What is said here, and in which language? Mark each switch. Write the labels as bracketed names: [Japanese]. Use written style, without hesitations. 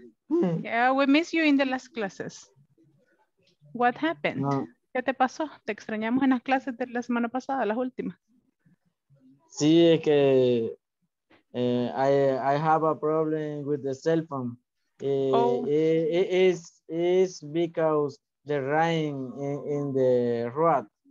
[English] Yeah, we miss you in the last classes. What happened? No. [Spanish] ¿Qué te pasó? Te extrañamos en las clases de la semana pasada, las últimas. Sí, es que... [English] I have a problem with the cell phone. It is because the rain in the road.